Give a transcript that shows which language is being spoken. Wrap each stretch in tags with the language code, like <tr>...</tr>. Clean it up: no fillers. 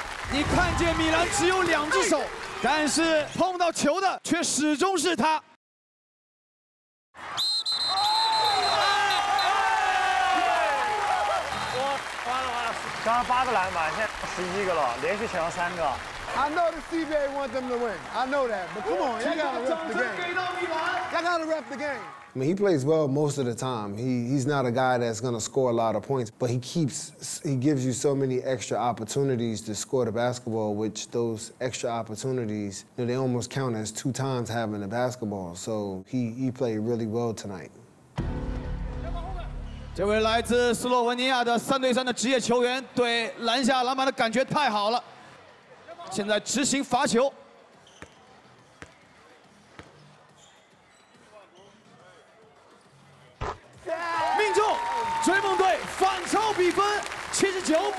<zh>你看见米兰只有两只手，但是碰到球的却始终是他。刚刚八个篮板，现在十一个了，连续抢了三个。</zh> <en>I know the CBA wants them to win. I know that, but come on, you gotta rep the game. You gotta rep the game. I mean, he plays well most of the time. He's not a guy that's gonna score a lot of points, but he gives you so many extra opportunities to score the basketball, which those extra opportunities, you know, they almost count as two times having the basketball. So he played really well tonight.</en> <zh>这位来自斯洛文尼亚的三对三的职业球员对篮下篮板的感觉太好了，现在执行罚球，命中，追梦队反超比分79-78，</zh>